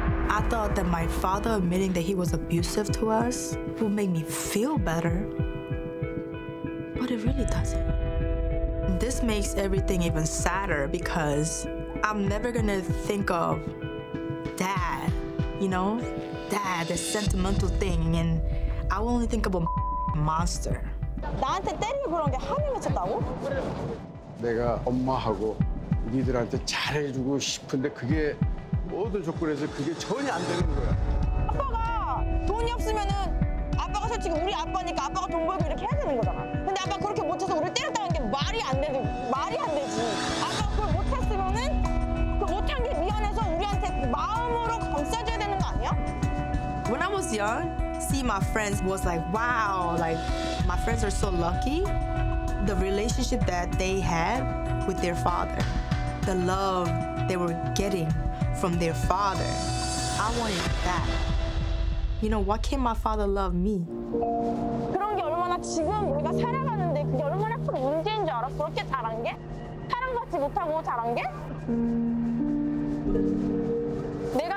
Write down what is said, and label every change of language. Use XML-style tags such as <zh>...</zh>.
<en>I thought that my father admitting that he was abusive to us would make me feel better, but it really doesn't. This makes everything even sadder because I'm never gonna think of dad, you know? Dad, the sentimental thing, and I will only think of a monster.</en> <ko>나한테 때리고 그런 게 하늘 미쳤다고? 내가 엄마하고 니들한테 잘해주고 싶은데 그게 모든 조건에서 그게 전혀 안 되는 거야. 아빠가 돈이 없으면은 아빠가 솔직히 우리 아빠니까 아빠가 돈 벌고 이렇게 해야 되는 거잖아. 근데 아빠 그렇게 못해서 우리 때렸다는 게 말이 안 되지. 말이 안 되지. 아빠 그걸 못했으면은 그 못한 게 미안해서 우리한테 마음으로 감싸줘야 되는 거 아니야?</ko> <en>When I was young, see my friends was like, wow, like my friends are so lucky. The relationship that they had with their father, the love they were getting from their father. I wanted that. You know, why can't my father love me?</en> <ko>그런 게 얼마나 지금 우리가 살아가는데 그게 얼마나 큰 문제인 줄 알아? 그렇게 잘한 게? 사랑받지 못하고 잘한 게?</ko>